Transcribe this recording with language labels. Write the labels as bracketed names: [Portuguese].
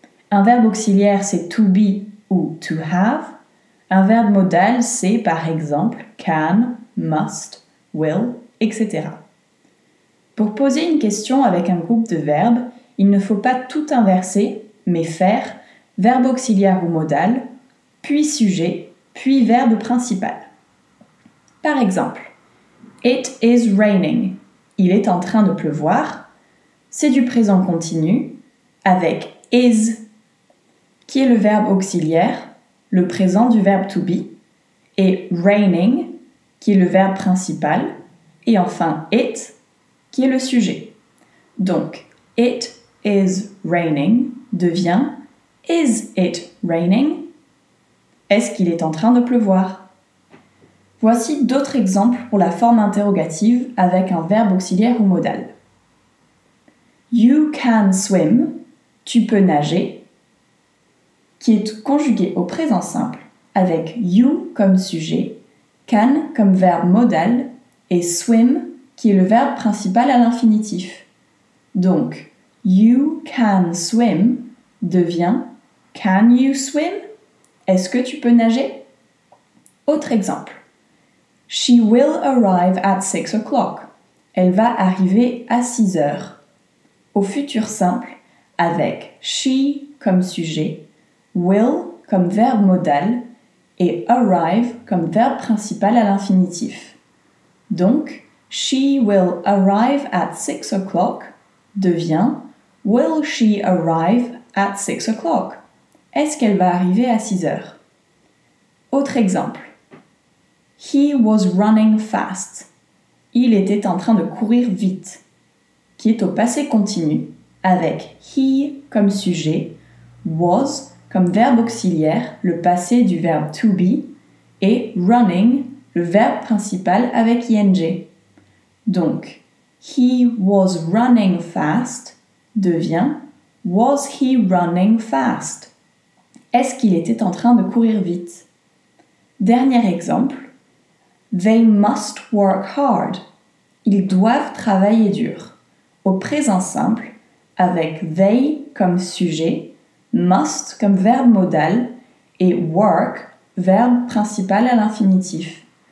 [French] Un verbe auxiliaire, c'est to be ou to have. Un verbe modal, c'est par exemple can, must, will, etc. Pour poser une question avec un groupe de verbes, il ne faut pas tout inverser, mais faire verbe auxiliaire ou modal, puis sujet, puis verbe principal. Par exemple, [English] It is raining. [French] Il est en train de pleuvoir. C'est du présent continu avec is, qui est le verbe auxiliaire, le présent du verbe to be, et raining, qui est le verbe principal, et enfin it, qui est le sujet. Donc, [English] it is raining [French] devient [English] is it raining? [French] Est-ce qu'il est en train de pleuvoir? Voici d'autres exemples pour la forme interrogative avec un verbe auxiliaire ou modal. [English] You can swim, [French] tu peux nager, qui est conjugué au présent simple avec you comme sujet, can comme verbe modal et swim qui est le verbe principal à l'infinitif. Donc, [English] you can swim [French] devient [English] can you swim? [French] Est-ce que tu peux nager? Autre exemple. [English] She will arrive at 6 o'clock. [French] Elle va arriver à 6 heures. Au futur simple, avec she comme sujet, will comme verbe modal et arrive comme verbe principal à l'infinitif. Donc, [English] she will arrive at 6 o'clock [French] devient [English] will she arrive at 6 o'clock? [French] Est-ce qu'elle va arriver à 6 heures? Autre exemple. [English] He was running fast. [French] Il était en train de courir vite. Qui est au passé continu avec he comme sujet, was comme verbe auxiliaire, le passé du verbe to be, et running, le verbe principal avec ing. Donc, [English] he was running fast [French] devient [English] was he running fast? [French] Est-ce qu'il était en train de courir vite? Dernier exemple. [English] They must work hard. [French] Ils doivent travailler dur. Au présent simple, avec they comme sujet, must comme verbe modal et work, verbe principal à l'infinitif.